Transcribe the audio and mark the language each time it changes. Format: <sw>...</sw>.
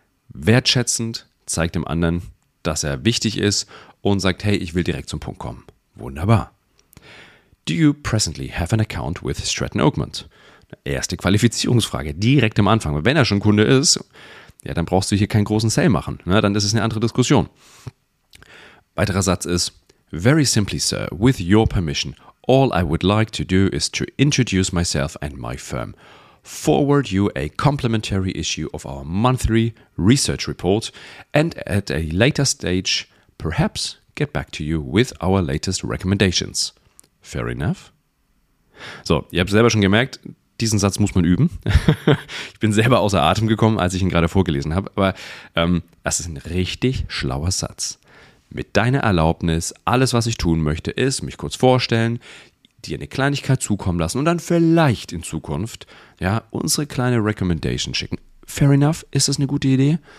<de>Wertschätzend zeigt dem anderen, dass er wichtig ist und sagt, hey, ich will direkt zum Punkt kommen. Wunderbar.</de> <en>Do you presently have an account with Stratton Oakmont?</en> <de>Erste Qualifizierungsfrage, direkt am Anfang. Wenn er schon Kunde ist, ja, dann brauchst du hier keinen großen Sale machen. Na, dann ist es eine andere Diskussion. Weiterer Satz ist,</de> <en>very simply, sir, with your permission, all I would like to do is to introduce myself and my firm. Forward you a complimentary issue of our monthly research report and at a later stage, perhaps, get back to you with our latest recommendations. Fair enough?</en> <de>So, ihr habt selber schon gemerkt, diesen Satz muss man üben. Ich bin selber außer Atem gekommen, als ich ihn gerade vorgelesen habe. Aber das ist ein richtig schlauer Satz. Mit deiner Erlaubnis, alles, was ich tun möchte, ist, mich kurz vorstellen, dir eine Kleinigkeit zukommen lassen und dann vielleicht in Zukunft ja, unsere kleine Recommendation schicken.</de> <en>Fair enough?</en> <de>Ist das eine gute Idee?</de>